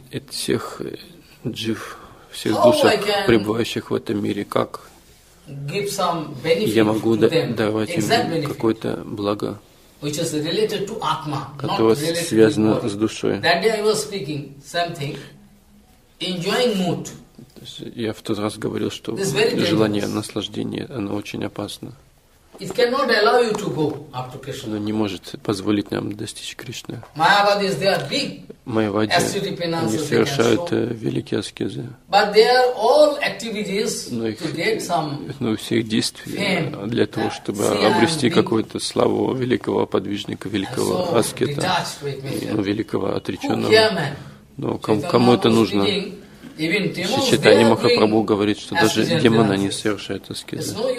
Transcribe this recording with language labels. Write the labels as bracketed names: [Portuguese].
[Russian] всех джив, всех душах, пребывающих в этом мире, как я могу даровать им какое-то благо. [English] which is related to Atma, not related to the body. That day I was speaking same thing, enjoying mood. [Russian] Я в тот раз говорил, что желание наслаждения, оно очень опасно. [English] It cannot allow you to go up to Krishna. [Russian] Оно не может позволить нам достичь Кришны. [English] Майявады, they are big. [Russian] Майявады, они совершают великие аскезы. [English] But they are all activities to get some. [Russian] Но все их действия для того, чтобы обрести какую-то славу великого подвижника, великого аскета, великого отреченного. Но кому это нужно? Шичитани Махапрабху говорит, что даже демоны не совершают аскезы.